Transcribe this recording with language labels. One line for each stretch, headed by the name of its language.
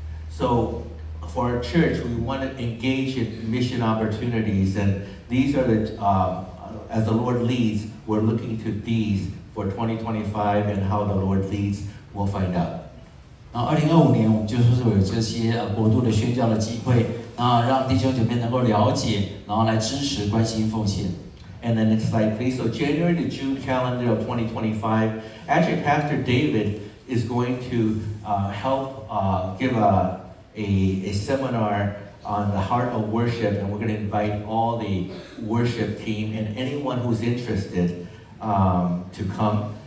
English: So for our church, we want to engage in mission opportunities, and these are the, as the Lord leads, we're looking to these for 2025, and how the Lord leads, we'll find out.
Chinese: 2025年我们就是有这些国度的宣教的机会，让弟兄姐妹能够了解，然后来支持、关心、奉献。
English: And then next slide, please. So January to June calendar of 2025. Actually, Pastor David is going to help give a seminar on the heart of worship. And we're going to invite all the worship team and anyone who's interested to come.